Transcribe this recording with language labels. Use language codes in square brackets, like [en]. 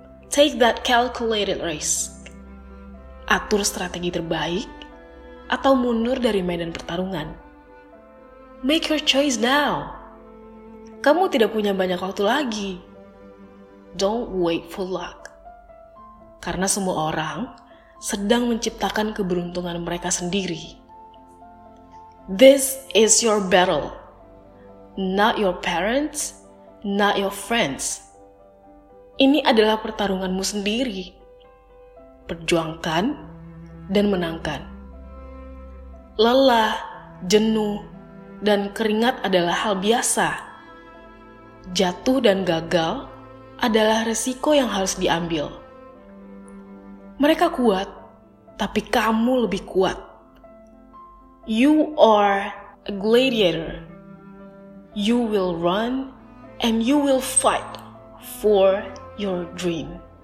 [en] Take that calculated risk. [id] Atur strategi terbaik atau mundur dari medan pertarungan. [en] Make your choice now. [id] Kamu tidak punya banyak waktu lagi. [en] Don't wait for luck. [id] Karena semua orang sedang menciptakan keberuntungan mereka sendiri. [en] This is your battle. Not your parents, not your friends. [id] Ini adalah pertarunganmu sendiri. Perjuangkan dan menangkan. Lelah, jenuh, dan keringat adalah hal biasa. Jatuh dan gagal adalah resiko yang harus diambil. Mereka kuat, tapi kamu lebih kuat. [en] You are a gladiator. You will run and you will fight for your dream.